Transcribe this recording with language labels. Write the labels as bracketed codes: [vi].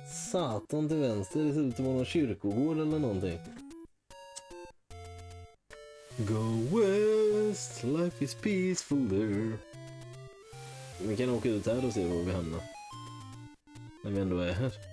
[sv] Satan till vänster, det ser ut som någon kyrkogård eller någonting. [en] Go west, life is peaceful there. [sv] Vi kan åka ut här och se var vi hamnar. När vi ändå är här.